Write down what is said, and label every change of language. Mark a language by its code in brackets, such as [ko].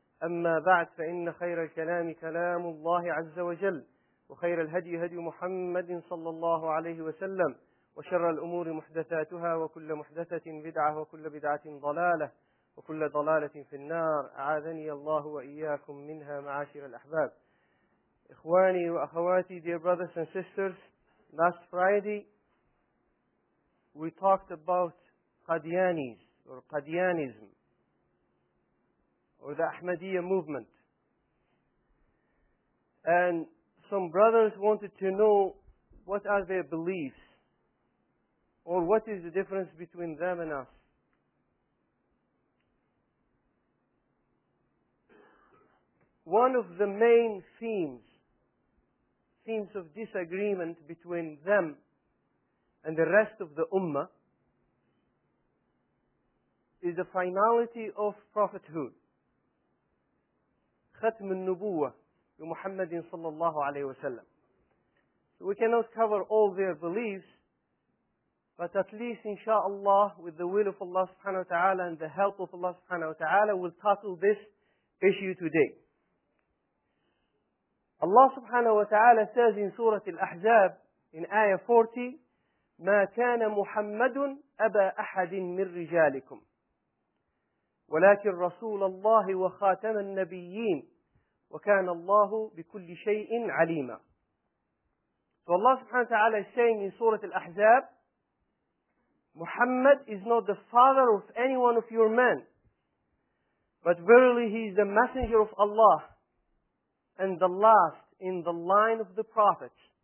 [ar] أما بعد، فإن خير الكلام كلام الله عز وجل، وخير الهدي هدي محمد صلى الله عليه وسلم، وشر الأمور محدثاتها، وكل محدثة بدعة، وكل بدعة ضلالة، وكل ضلالة في النار. أعاذني الله وإياكم منها معاشر الأحباب. إخواني وأخواتي، [en] dear brothers and sisters, last Friday we talked about Qadianis or Qadianism or the Ahmadiyya movement, and some brothers wanted to know what are their beliefs or what is the difference between them and us. One of the main themes of disagreement between them and the rest of the Ummah is the finality of prophethood. Khatm al-Nubuwa to Muhammad sallallahu alayhi wa sallam. So we cannot cover all their beliefs, but at least inshaAllah, with the will of Allah subhanahu wa ta'ala and the help of Allah subhanahu wa ta'ala, we'll tackle this issue today. Allah subhanahu wa ta'ala says in Surah Al-Ahzab, in Ayah 40, [ar] مَا كَانَ مُحَمَّدٌ أَبَى أَحَدٍ مِنْ رِجَالِكُمْ وَلَكِنْ رَسُولَ اللَّهِ وَخَاتَمَ النَّبِيِّينَ وَكَانَ اللَّهُ بِكُلِّ شَيْءٍ عَلِيمًا. [en] So Allah subhanahu wa ta'ala is saying in Surah Al-Ahzab, Muhammad is not the father of any one of your men, but verily he is the messenger of Allah, and the last in the line of the prophets.